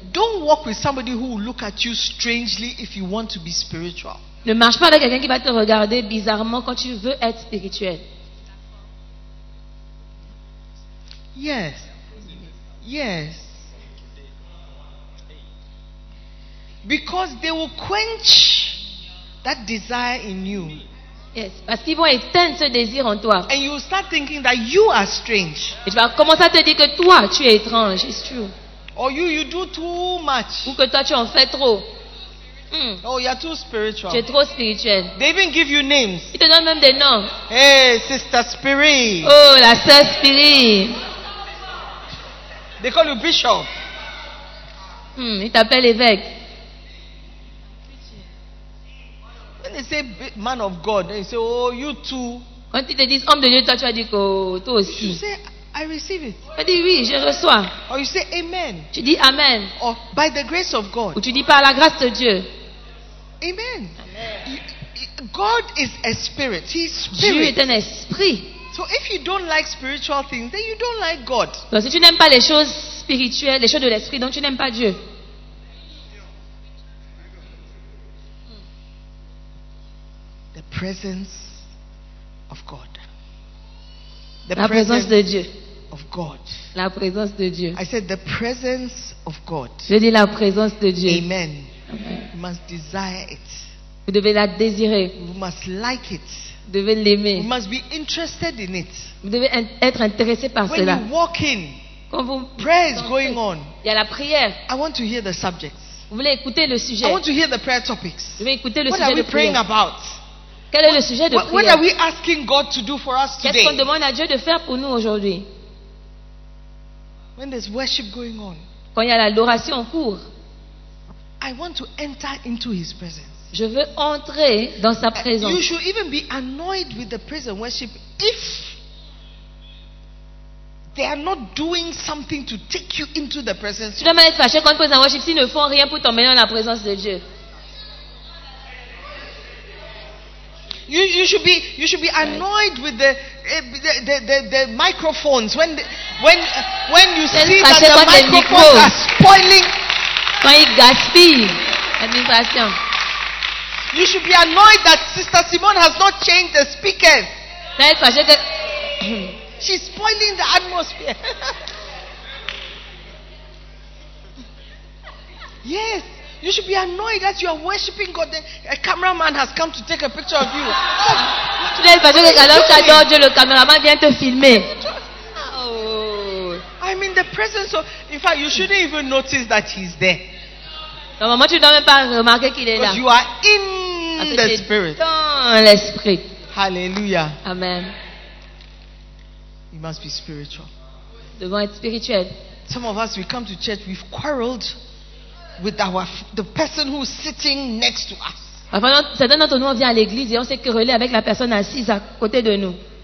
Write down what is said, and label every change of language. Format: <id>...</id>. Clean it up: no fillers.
<en>Don't walk with somebody who will look at you strangely if you want to be spiritual.</en> <fr>Ne marche pas avec quelqu'un qui va te regarder bizarrement quand tu veux être spirituel.</fr> <en>Yes. Yes. Because they will quench that desire in you.</en> <fr>Yes, parce qu'ils vont éteindre ce désir en toi.</fr> <en>And you start thinking that you are strange.</en> <fr>Et tu vas commencer à te dire que toi, tu es étrange.</fr> <en>It's true. Or you do too much.</en> <fr>Ou que toi, tu en fais trop.</fr> <en>Mm. Oh, you're too spiritual.</en> <fr>Tu es trop spirituel.</fr> <en>They even give you names.</en> <fr>Ils te donnent même des noms.</fr> <en>Hey, Sister Spirit.</en> <fr>Oh, la Sœur Spirit.</fr> <en>They call you Bishop.</en> <fr>Ils t'appellent évêque.</fr> <en>When they say man of God, they say, oh, you too.</en> <fr>Quand ils te disent homme de Dieu, toi tu vas dire que toi aussi.</fr> <en>You say, I receive it.</en> <fr>Tu dis oui, je reçois.</fr> <en>Or you say amen.</en> <fr>Tu dis amen.</fr> <en>Or by the grace of God.</en> <fr>Ou tu dis par la grâce de Dieu. Amen. Amen.</fr> <en>God is a spirit. He's spirit.</en> <fr>Dieu est un esprit.</fr> <en>So if you don't like spiritual things, then you don't like God.</en> <fr>Donc si tu n'aimes pas les choses spirituelles, les choses de l'esprit, donc tu n'aimes pas Dieu.</fr> <en>Presence of God.</en> <fr>The la présence de Dieu.</fr> <en>Of God.</en> <fr>La présence de Dieu.</fr> <en>I said the presence of God.</en> <fr>Je dis la présence de Dieu.</fr> <en>Amen. Amen. You must desire it.</en> <fr>Vous devez la désirer.</fr> <en>You must like it.</en> <fr>Vous devez l'aimer.</fr> <en>You must be interested in it.</en> <fr>Vous devez être intéressé par</fr> <en>when</en> <fr>cela.</fr> <en>When you walk in,</en> <fr>quand vous</fr> <en>prayer is going on.</en> <fr>Il y a la prière.</fr> <en>I want to hear the subject.</en> <fr>Vous voulez écouter le sujet.</fr> <en>I want to hear the prayer topics.</en> <fr>Je veux écouter le</fr> <en>what</en> <fr>sujet</fr> <en>are we</en> <fr>de</fr> <en>praying</en> <fr>prière.</fr> <en>About?</en> <fr>Quel est le sujet de prière?</fr> <en>What are we asking God to do for us today?</en> <fr>Qu'est-ce qu'on demande à Dieu de faire pour nous aujourd'hui?</fr> <en>When there's worship going on,</en> <fr>quand il y a l'adoration en cours,</fr> <en>I want to enter into his presence.</en> <fr>Je veux entrer dans sa présence.</fr> <en>You should even be annoyed with the present worship if they are not doing something to take you into the presence.</en> <fr>Tu dois être fâché quand le présent worship ne font rien pour t'emmener dans la présence de Dieu.</fr> <en>You should be annoyed with the microphones when you see that the microphones are spoiling.</en> <fr>Quand ils gaspillent l'administration.</fr> <en>You should be annoyed that Sister Simone has not changed the speaker. She's spoiling the atmosphere. Yes. You should be annoyed that you are worshiping God. Then a cameraman has come to take a picture of you.</en> <fr>Tu n'es pas que alors tu adores Dieu, le cameraman vient te filmer.</fr> <en>Oh. I'm in the presence of. In fact, you shouldn't even notice that he's there.</en> <fr>Normalement, tu ne dois même pas remarquer qu'il est là.</fr> <en>Because you are in the spirit.</en> <fr>Dans l'esprit. Hallelujah. Amen.</fr> <en>You must be spiritual.</en> <fr>Devons être spirituels.</fr> <en>Some of us, we come to church, we've quarreled. With the person who's sitting next to us.</en> <fr>Certains d'entre nous vient à l'église et on s'est querellé avec la personne assise à côté de nous.</fr>